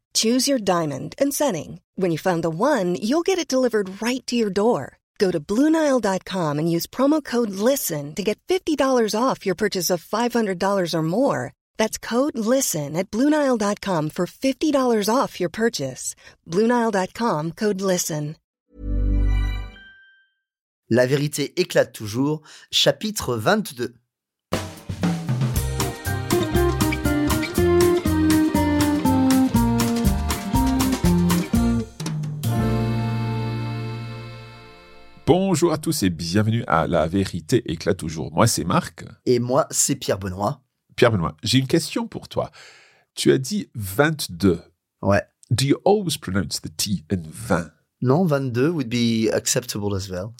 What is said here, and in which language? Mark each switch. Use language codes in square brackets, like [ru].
[en] Choose your diamond and setting. When you find the one, you'll get it delivered right to your door. Go to BlueNile.com and use promo code LISTEN to get $50 off your purchase of $500 or more. That's code LISTEN at BlueNile.com for $50 off your purchase. BlueNile.com, code LISTEN. [fr] La vérité éclate toujours, chapitre 22. Bonjour à tous et bienvenue à La vérité éclate toujours. Moi, c'est Marc. Et moi, c'est Pierre Benoît. Pierre Benoît, j'ai une question pour toi. Tu as dit 22. Ouais. [en] Do you always pronounce the T in 20? Non, 22 would be acceptable as well.